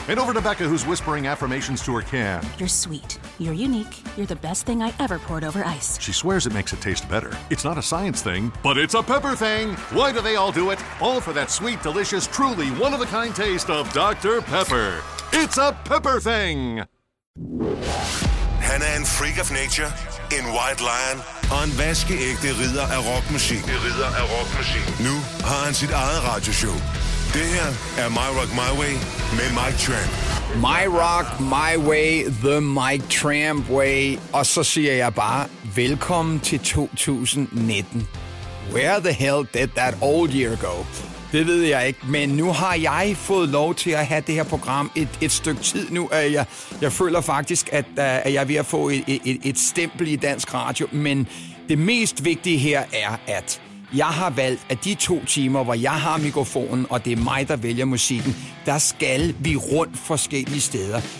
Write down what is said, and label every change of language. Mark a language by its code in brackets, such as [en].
[en] And over to Becca, who's whispering affirmations to her can. You're sweet. You're unique. You're the best thing I ever poured over ice. She swears it makes it taste better. It's not a science thing, but it's a Pepper Thing! Why do they all do it? All for that sweet, delicious, truly one-of-a-kind taste of Dr. Pepper. It's a Pepper Thing! [da] Han er en [en] freak of nature, [da] en white lion, og en vaskeægte ridder af rockmusik. Nu har han sit eget radioshow. Det her er My Rock My Way med Mike Tramp. [en] My Rock My Way, the Mike Tramp way. [da] Og så siger jeg bare, velkommen til 2019. [en] Where the hell did that old year go? [da] Det ved jeg ikke, men nu har jeg fået lov til at have det her program et stykke tid nu. Jeg føler faktisk, at jeg er ved at få et stempel i dansk radio. Men det mest vigtige her er, at jeg har valgt, at de to timer, hvor jeg har mikrofonen, og det er mig, der vælger musikken, der skal vi rundt forskellige steder.